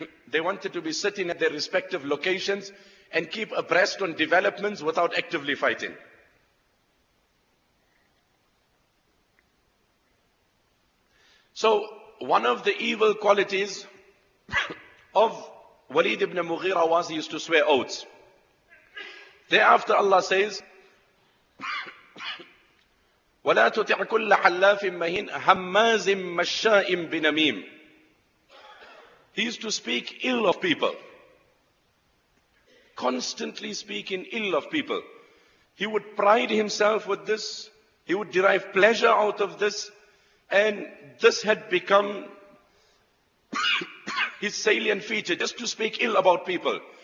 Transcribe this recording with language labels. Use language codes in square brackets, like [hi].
[en] They wanted to be sitting at their respective locations and keep abreast on developments without actively fighting. So one of the evil qualities of Walid ibn Mughira was he used to swear oaths. Thereafter Allah says, [ar] وَلَا تُطِعْ كُلَّ حَلَّافٍ مَهِنْ هَمَّازٍ مَشَّاءٍ بِنَمِيمٍ. [en] He used to speak ill of people. Constantly speaking ill of people. He would pride himself with this. He would derive pleasure out of this. And this had become his salient feature, just to speak ill about people.